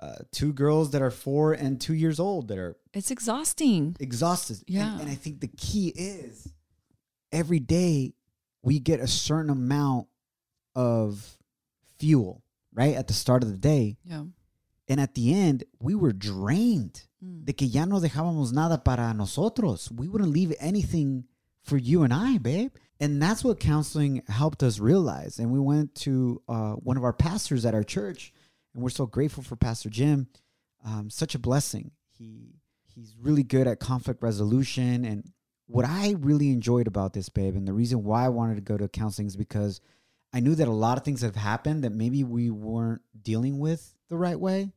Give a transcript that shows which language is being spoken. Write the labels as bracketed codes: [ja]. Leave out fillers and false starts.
[en] Two girls that are 4 and 2 years old that are... It's exhausting. Exhausted. Yeah. And I think the key is every day we get a certain amount of fuel, right? At the start of the day. Yeah. And at the end, we were drained. [es] De que ya no dejábamos nada para nosotros. [en] We wouldn't leave anything for you and I, babe. And that's what counseling helped us realize. And we went to one of our pastors at our church. And we're so grateful for Pastor Jim. Such a blessing. He's really good at conflict resolution. And what I really enjoyed about this, babe, and the reason why I wanted to go to counseling is because I knew that a lot of things have happened that maybe we weren't dealing with the right way.